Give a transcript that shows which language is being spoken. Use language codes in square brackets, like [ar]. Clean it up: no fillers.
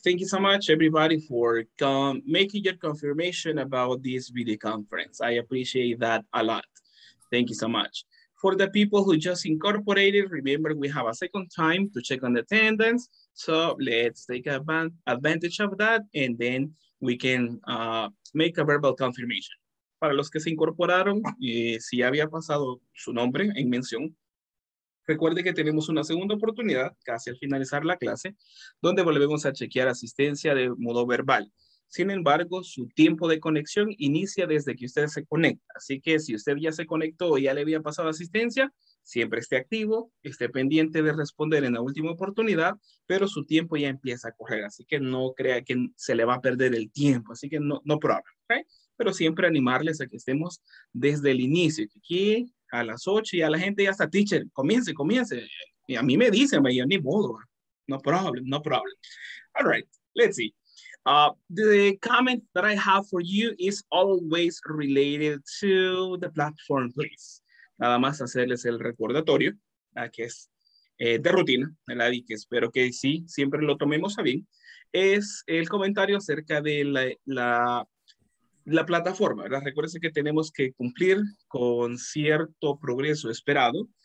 [en] Thank you so much, everybody, for making your confirmation about this video conference. I appreciate that a lot. Thank you so much. For the people who just incorporated, remember, we have a second time to check on the attendance. So let's take advantage of that, and then we can make a verbal confirmation. [es] Para los que se incorporaron, si ya había pasado su nombre en mención, recuerde que tenemos una segunda oportunidad, casi al finalizar la clase, donde volvemos a chequear asistencia de modo verbal. Sin embargo, su tiempo de conexión inicia desde que usted se conecta. Así que si usted ya se conectó o ya le había pasado asistencia, siempre esté activo, esté pendiente de responder en la última oportunidad, pero su tiempo ya empieza a correr. Así que no crea que se le va a perder el tiempo. Así que [en] no problem, [es] ¿okay? Pero siempre animarles a que estemos desde el inicio. Aquí a las 8 y a la gente ya está, teacher, comience. Y a mí me dicen, yo ni modo. [en] No problem. All right, let's see. The comment that I have for you is always related to the platform, please. [es] Nada más hacerles el recordatorio, que es de rutina, ¿verdad? Y que espero que sí, siempre lo tomemos a bien. Es el comentario acerca de la plataforma, ¿verdad? Recuerden que tenemos que cumplir con cierto progreso esperado.